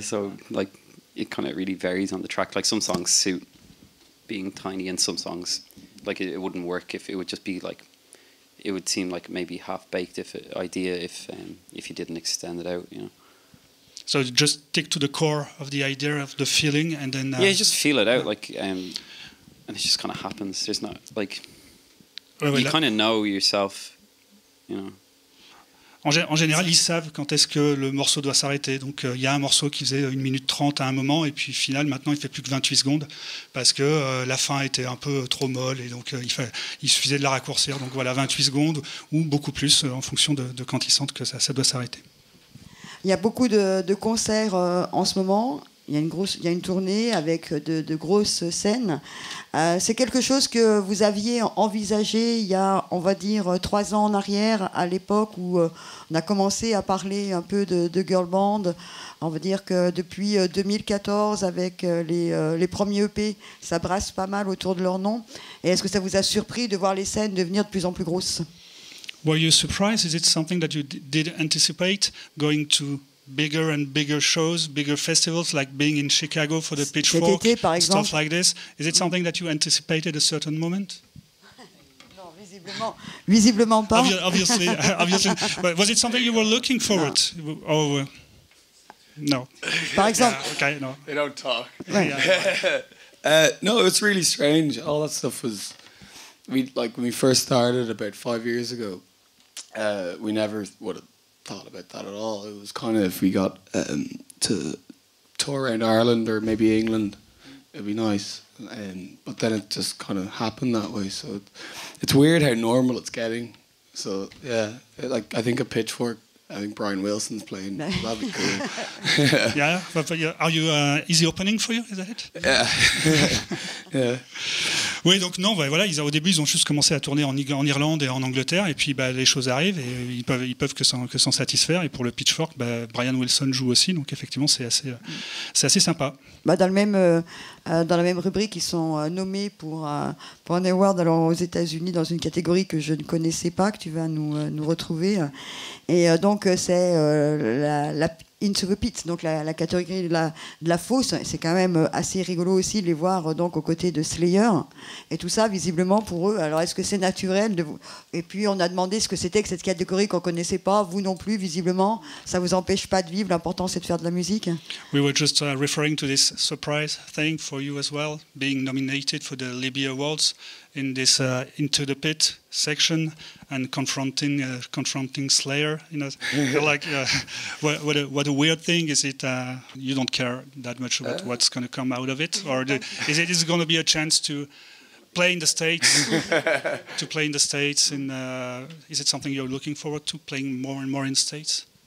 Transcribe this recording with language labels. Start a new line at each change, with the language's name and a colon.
English: So like, it kind of really varies on the track. Like some songs suit being tiny, and some songs, like it wouldn't work if it would just be like, it would seem like maybe half baked if you didn't extend it out, you know. So just stick to the core of the idea of the feeling, and then yeah, just feel it out, like, and it just kind of happens. There's not like, you kind of know yourself, you know.
French: En général, ils savent quand est-ce que le morceau doit s'arrêter. Donc, il y a un morceau qui faisait 1 minute 30 à un moment, et puis final, maintenant, il ne fait plus que 28 secondes, parce que la fin était un peu trop molle, et donc il suffisait de la raccourcir. Donc voilà, 28 secondes, ou beaucoup plus, en fonction de quand ils sentent que ça doit s'arrêter. Il y a beaucoup de concerts en ce moment. Il y a une tournée avec de grosses scènes. C'est quelque chose que vous aviez envisagé il y a, on va dire, 3 ans en arrière, à l'époque où on a commencé à parler un peu de girl band. On va dire que depuis 2014, avec les premiers EP, ça brasse pas mal autour de leur nom. Et est-ce que ça vous a surpris de voir les scènes devenir de plus en plus grosses?
English: Were you surprised? Is it something that you did anticipate going to bigger and bigger shows, bigger festivals, like being in Chicago for the Pitchfork,
French: cet été, par exemple,
English: stuff like this? Is it something that you anticipated a certain moment?
French: Non, visiblement pas.
English: Obviously. But was it something you were looking forward to? Or, no.
French: Par exemple.
English: Yeah, okay, no. They don't talk. No, it's really strange. All that stuff was, when we first started about 5 years ago, we never would have thought about that at all. It was kind of, if we got to tour around Ireland or maybe England, it'd be nice. But then it just kind of happened that way. So it's weird how normal it's getting. So yeah, I think a Pitchfork. I think Brian Wilson's playing. That'd be cool. Yeah, but are you easy opening for you? Is that it? Yeah. Yeah.
French: Oui, donc non, bah, voilà, au début, ils ont juste commencé à tourner en Irlande et en Angleterre, et puis bah, les choses arrivent, et ils peuvent que s'en satisfaire. Et pour le Pitchfork, bah, Brian Wilson joue aussi, donc effectivement, c'est assez sympa. Bah, dans la même rubrique, ils sont nommés pour un award aux États-Unis dans une catégorie que je ne connaissais pas, que tu vas nous retrouver. Et donc, c'est la Into the Pit, donc la catégorie de la fosse. C'est quand même assez rigolo aussi de les voir donc aux côtés de Slayer et tout ça, visiblement pour eux. Alors est-ce que c'est naturel de vous... Et puis on a demandé ce que c'était que cette catégorie qu'on connaissait pas, vous non plus visiblement. Ça vous empêche pas de vivre, l'important c'est de faire de la musique.
English: We were just referring to this surprise thing for you as well, being nominated for the Libby Awards in this Into the Pit section and confronting Slayer, you know. Like what a weird thing is it, you don't care that much about what's going to come out of it, or is it going to be a chance to play in the States and is it something you're looking forward to, playing more and more in the States?